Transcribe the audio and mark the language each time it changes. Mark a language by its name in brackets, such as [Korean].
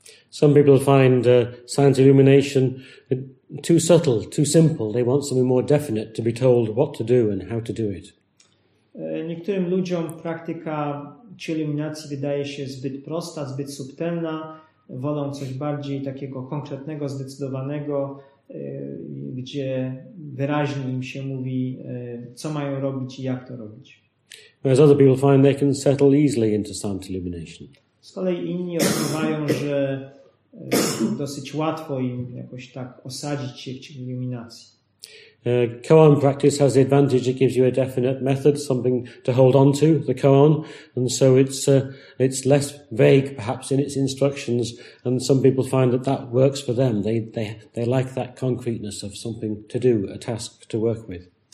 [English] Some people find silent illumination too subtle, too simple. They want something more definite to be told what to do and how to do it. [Polish] Niektórym ludziom praktyka czy iluminacji wydaje się zbyt prosta, zbyt subtelna. Wolą coś bardziej takiego konkretnego, zdecydowanego, gdzie wyraźnie im się mówi, co mają robić i jak to robić. [English] Whereas other people find they can settle easily into silent illumination. [Polish] Z kolei inni odczuwają, że dosyć łatwo im jakoś tak osadzić się w cichej iluminacji. [English] Koan practice has the advantage it gives you a definite method, something to hold on to, the koan, and so it's less vague perhaps in its instructions, and some people find that that works for them. They like that concreteness of something to do, a task to work with.